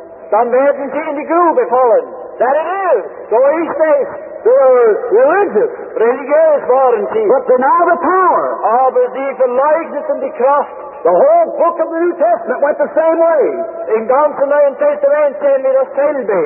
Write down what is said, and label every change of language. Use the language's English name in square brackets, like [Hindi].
[German] Dann werden sie in die Grube fallen. [English] That it is. So he says. They were religious. [German] Religiös waren sie. [English] But deny the power. [German] Aber sie verleugneten die Kraft. [English] The whole book of the New Testament went the same way. [German] In ganzen Neuen Testament sehen wir dasselbe.